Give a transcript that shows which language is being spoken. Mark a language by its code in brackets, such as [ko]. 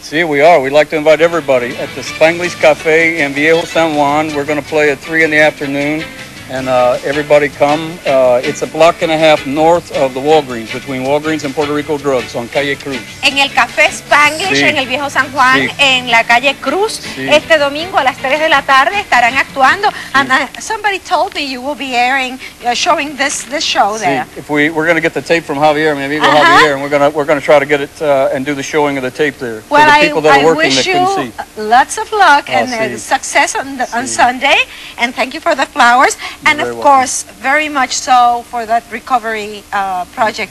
[es] Sí, [en] we are. We'd like to invite everybody at the Spanglish Cafe in Viejo San Juan. We're going to play at 3 in the afternoon. And everybody come. It's a block and a half north of the Walgreens, between Walgreens and Puerto Rico Drugs on Calle Cruz. [es] En el Café Spanglish, sí. en el Viejo San Juan, sí. en la Calle Cruz. Sí. Este domingo a las 3 de la tarde estarán actuando. Sí. [en] And somebody told me you will be airing, showing this show [es] sí. [en] there. If we're going to get the tape from Javier, [es] mi amigo uh-huh. [en] Javier, and we're going to try to get it and do the showing of the tape there. Well, for the people that are working that couldn't see. I wish you lots of luck and success on Sunday. And thank you for the flowers. And of course, very much so for that recovery project